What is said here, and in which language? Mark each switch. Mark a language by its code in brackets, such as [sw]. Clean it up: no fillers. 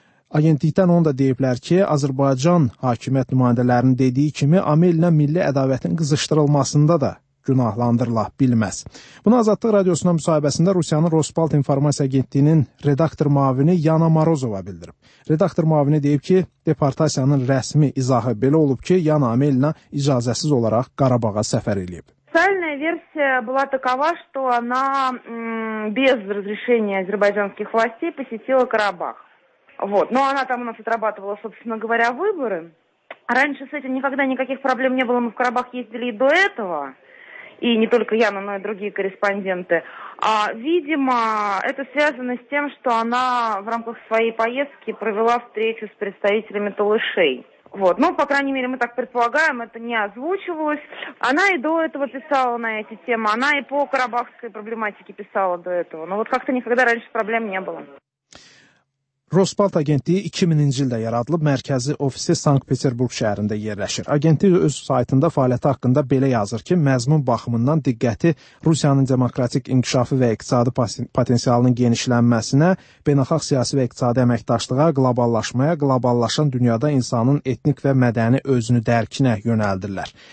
[az] Agentlikdən onu da deyiblər ki, Azərbaycan hakimiyyət nümayəndələrinin dediyi kimi Amel ilə milli ədavətin qızışdırılmasında da günahlandırıla bilməz. Bunu Azadlıq Radiosuna müsahibəsində Rusiyanın Rospalt İnformasiya Agentliyinin redaktor mavini Yana Marozova bildirib. Redaktor mavini deyib ki, deportasiyanın rəsmi izahı belə olub ki, Yana Amel ilə icazəsiz olaraq Qarabağa səfər eləyib. [ru] Официальная версия была такова, что она без разрешения азербайджанских властей посетила Карабах. Вот. Но она там у нас отрабатывала, собственно говоря, выборы. Раньше с этим никогда никаких проблем не было. Мы в Карабах ездили и до этого. И не только я, но и другие корреспонденты. А, видимо, это связано с тем, что она в рамках своей поездки провела встречу с представителями талышей. Вот, ну, по крайней мере, мы так предполагаем, это не озвучивалось. Она и до этого писала на эти темы, она и по карабахской проблематике писала до этого. Но вот как-то никогда раньше проблем не было. [az] Rospalt agentliyi 2000-ci ildə yaradılıb, mərkəzi ofisi Sankt-Peterburq şəhərində yerləşir. Agentlik öz saytında fəaliyyəti haqqında belə yazır ki, məzmun baxımından diqqəti Rusiyanın demokratik inkişafı və iqtisadi potensialının genişlənməsinə, beynəlxalq siyasi və iqtisadi əməkdaşlığa, qloballaşmaya, qloballaşan dünyada insanın etnik və mədəni özünü dərkinə yönəldirlər.